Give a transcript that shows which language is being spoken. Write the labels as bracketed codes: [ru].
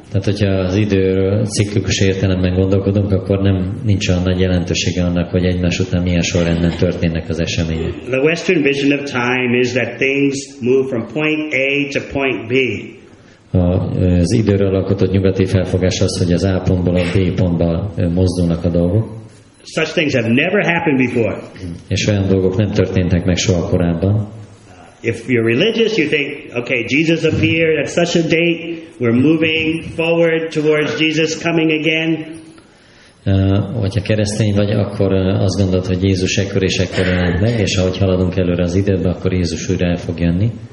[hu] Tehát, hogyha az időről ciklikus értelemben gondolkodunk, akkor nem nincs olyan nagy jelentősége annak, hogy egymás után milyen sorrendben történnek az események. [en] The Western vision of time is that things move from point A to point B. [hu] Az időről alkotott nyugati felfogás az, hogy az A pontból a B pontba mozdulnak a dolgok. [en] Such things have never happened before. [hu] És olyan dolgok nem történtek meg soha korábban. [en] If you're religious, you think, okay, Jesus appeared at such a date, we're moving forward towards Jesus coming again. [hu] Hogyha keresztény vagy, akkor azt gondolod, hogy Jézus ekkor és ekkor jön meg, és ahogy haladunk előre az időbe, akkor Jézus újra el fog jönni.